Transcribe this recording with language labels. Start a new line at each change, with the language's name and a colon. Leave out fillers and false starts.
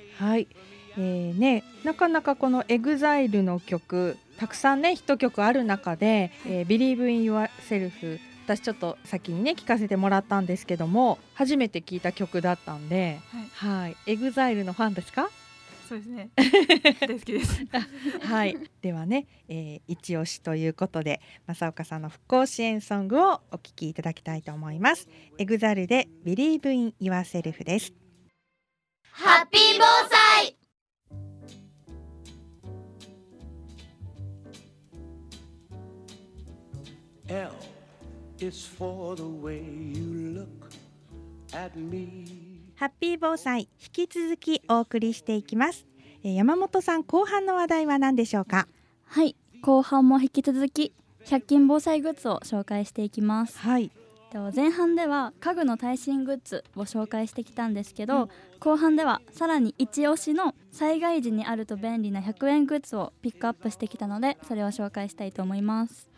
Japanese: はい、ね、なかなかこの EXILE の曲たくさんね、ヒット曲ある中で、Believe in Yourself、私ちょっと先にね聞かせてもらったんですけども、初めて聞いた曲だったんで、はい、はい、EXILE のファンですか？そうですね大好きです、はい、ではね、一押しということで、正岡さんの復興支援ソングをお聞きいただきたいと思います。 EXILE で Believe in Yourself です。ハッピー防災。
English: It's for the way you look at me.
Japanese: ハッピー防災、引き続きお送りしていきます。山本さん、後半の話題は何でしょうか？はい、後半も引き続き100均防災グッズを紹介していきます。はい、前半では家具の耐震グッズを紹介してきたんですけど、うん、後半ではさらに一押しの災害時にあると便利な100円グッズをピックアップしてきたので、それを紹介したいと思います。